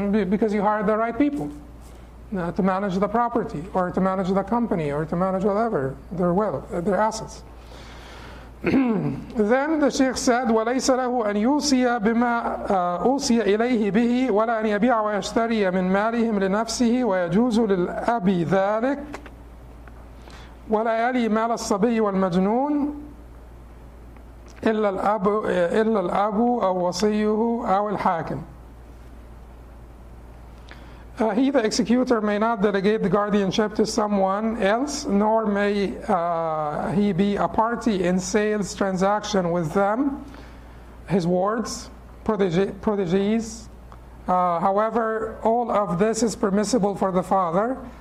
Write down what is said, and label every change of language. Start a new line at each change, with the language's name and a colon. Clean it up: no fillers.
English: because you hired the right people to manage the property or to manage the company or to manage whatever, their wealth, their assets. Then the Sheikh said,
Arabic: وَلَيْسَ لَهُ أَنْ يُوصِيَ بِمَا أُوصِيَ إِلَيْهِ بِهِ وَلَا أَنْ يَبِيعَ وَيَشْتَرِيَ مِنْ مَالِهِمْ لِنَفْسِهِ وَيَجُوزُ لِلْأَبِي ذَلِكَ وَلَا يَلِي مَالَ الصَّبِيِّ وَالْمَجْنُونِ إِلَّا الْأَبُ أَوْ وَصِيُّهُ أَوْ الْحَاكِمُ.
English: He, the executor, may not delegate the guardianship to someone else, nor may he be a party in sales transaction with them, his wards, protégés. However, all of this is permissible for the father.